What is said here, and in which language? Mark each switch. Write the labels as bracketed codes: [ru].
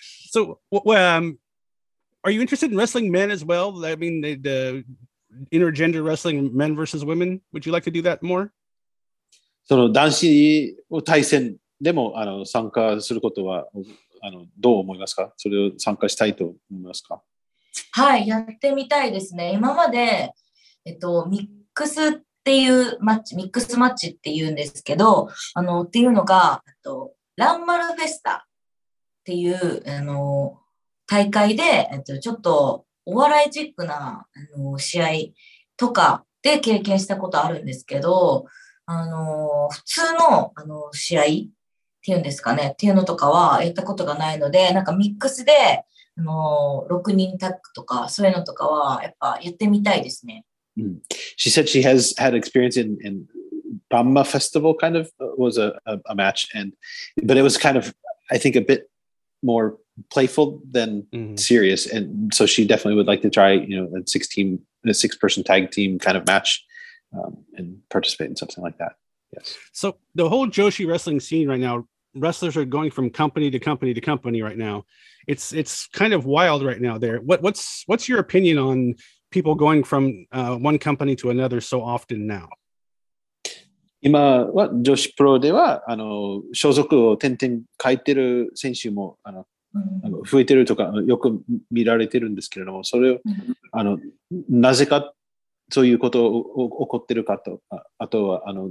[en] So, are you interested in wrestling men as well? I mean, the intergender wrestling, men versus women. Would you like to do that more? [ja] その男子を対戦でも参加することはどう思いますか？それを参加したいと思いますか？はい、やってみたいですね。今まで、ミックスっていうマッチ、ミックスマッチっていうんですけど、っていうのが、ランマルフェスタっていう大会で、ちょっとお笑いチックな試合とかで経験したことあるんですけど、普通の試合っていうんですかねっていうのとかはやったことがないので、なんかミックスで6人タッグとかそういうのとかはやっぱやってみたいですね。 [en] She said she has had experience in Bamma Festival kind of was a match and but it was kind of I think a bit more playful than serious and so she definitely would like to try a six person tag team kind of match and participate in something like that. Yes. So the whole Joshi wrestling scene right now, wrestlers are going from company to company to company right now. It's kind of wild right now there. What's your opinion on people going from one company to another so often now? [ja] 今は女子プロでは所属を転々変えてる選手も増えてるとかよく見られてるんですけれども、それをなぜかそういうことを起こってるかと、あとは